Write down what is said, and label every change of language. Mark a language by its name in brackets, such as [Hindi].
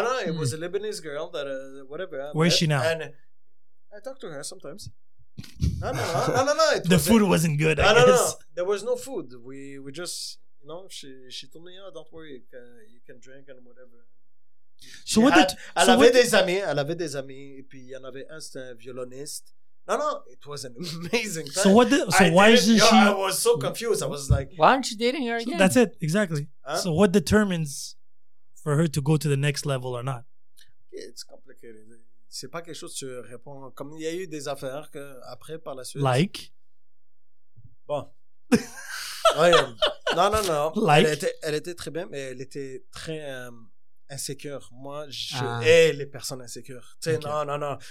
[English] No, it was a Lebanese girl that... whatever. Where is she now? And I talk to her sometimes. No. The food wasn't good, I guess. No. There was no food. We just... You know, she told me, oh, don't worry. You can drink and whatever. So what did... [French] Elle avait des amis. Et puis, il y en avait un, c'était un violoniste. [English] No, it was an amazing time. So why isn't she... I was so confused. I was like... Why aren't you dating her again? So that's it, exactly. Huh? So what determines for her to go to the next level or not? It's complicated. [French] C'est pas quelque chose que tu réponds... Comme il y a eu des affaires que après par la suite... [English] Like? [French] Bon. [English] No. Like? [French] Elle était très bien, mais elle était très... insécure. Moi, je hais les personnes insécures. Tu sais, non.